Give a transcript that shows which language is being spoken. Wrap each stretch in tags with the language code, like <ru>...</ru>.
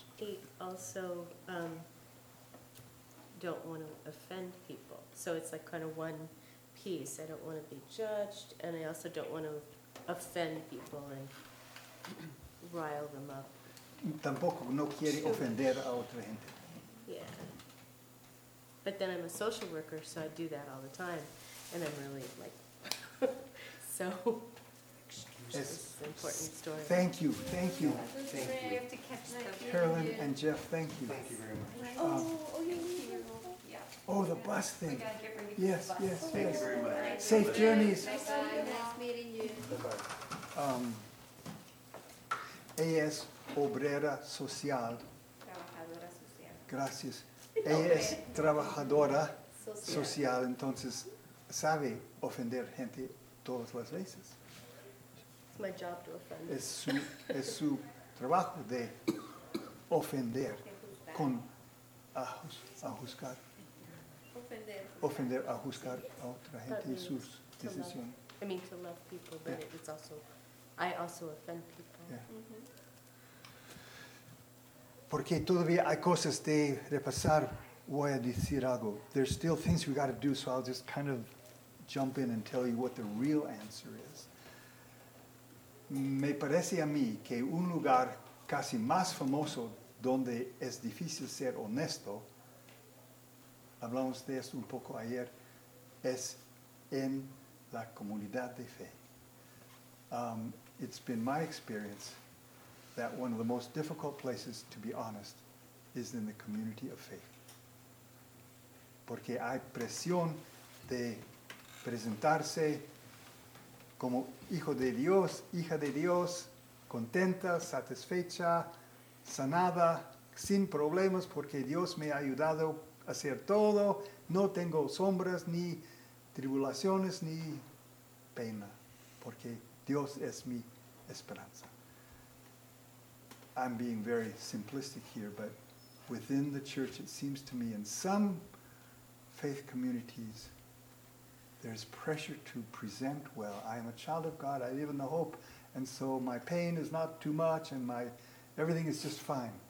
<en>He also don't want to offend people. So it's like kind of one piece. I don't want to be judged, and I also don't want to offend people and rile them up.</en> <es>Tampoco no quiere ofender a otra gente.</es> <en>Yeah. But then I'm a social worker, so I do that all the time. And I'm really like, so, it's an important story. Thank you, thank you. Thank you. Have to catch my Carolyn and Jeff, thank you. Thank you very much. Oh, the bus thing. Yes, yes, thank yes. Thank you very much. Safe journeys. Bye. Nice meeting you. Bye-bye.</en> <es>AS Obrera Social. Trabajadora Social. Gracias. Ella es trabajadora social, entonces sabe ofender gente todas las veces.</es> <en>It's my job to offend.</en> <es>Es su trabajo de ofender con a juzgar. Ofender. Ofender a juzgar a otra gente y sus decisiones.</es> <en>I mean to love people, but it's also, I also offend people. Yeah. Mm-hmm.</en> <es>Porque todavía hay cosas de repasar. Voy a decir algo.</es> <en>There's still things we got to do, so I'll just kind of jump in and tell you what the real answer is.</en> <es>Me parece a mí que un lugar casi más famoso donde es difícil ser honesto, hablamos de esto un poco ayer, es en la comunidad de fe.</es> <en>It's been my experience that one of the most difficult places to be honest is in the community of faith.</en> <es>Porque hay presión de presentarse como hijo de Dios, hija de Dios, contenta, satisfecha, sanada, sin problemas, porque Dios me ha ayudado a hacer todo. No tengo sombras, ni tribulaciones, ni pena, porque Dios es mi esperanza.</es> <en>I'm being very simplistic here, but within the church, it seems to me, in some faith communities, there's pressure to present well. I am a child of God, I live in the hope, and so my pain is not too much, and my everything is just fine.</en>